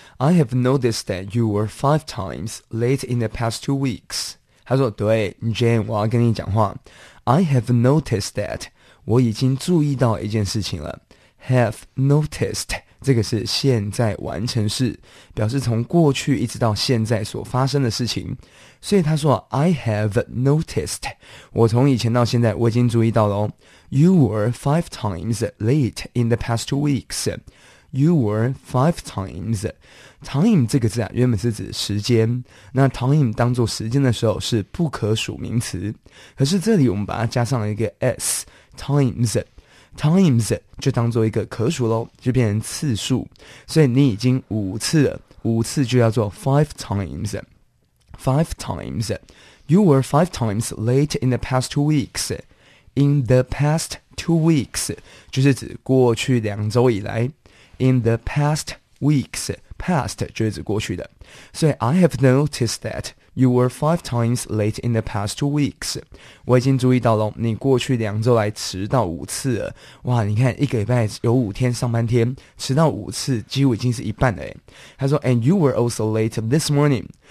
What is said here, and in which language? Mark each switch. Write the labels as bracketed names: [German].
[English] I have noticed that you were 5 times late in the past 2 weeks. [Chinese] 他说对 ,Jane, 我要跟你讲话。 [English] I have noticed that. [Chinese] 我已经注意到一件事情了。 [English] Have noticed. [Chinese] 这个是现在完成式表示从过去一直到现在所发生的事情。所以他说 [English] I have noticed. [Chinese] 我从以前到现在我已经注意到了哦。 [English] You were 5 times late in the past 2 weeks. You were 5 times. [Chinese] Time 这个字啊，原本是指时间。那 time 当作时间的时候是不可数名词。可是这里我们把它加上了一个 s, times. Times 就当作一个可数咯，就变成次数。所以你已经5次了，5次就叫做 [English] 5 times. 5 times. You were 5 times late in the past 2 weeks. In the past 2 weeks, [Chinese] 就是指过去2周以来。 [English] In the past weeks, past [Chinese] 就是过去的。 [English] 所以 I have noticed that you were 5 times late in the past 2 weeks. [Chinese] 我已经注意到了你过去2周来迟到5次了。哇你看一个礼拜有5天上班天迟到5次几乎已经是一半了。他说 [English] and you were also late this morning.